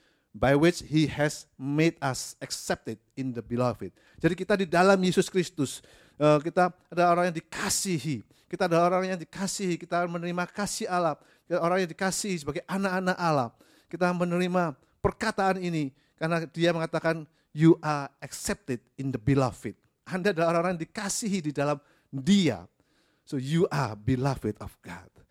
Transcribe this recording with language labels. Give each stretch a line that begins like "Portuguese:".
English: By which He has made us accepted in the beloved.
Indonesian: Jadi kita di dalam Yesus Kristus, kita adalah orang yang dikasihi. Kita adalah orang yang dikasihi, kita menerima kasih Allah. Kita orang yang dikasihi sebagai anak-anak Allah. Kita menerima perkataan ini karena dia mengatakan,
English: you are accepted in the beloved.
Indonesian: Anda adalah orang yang dikasihi di dalam dia.
English: So you are beloved of God.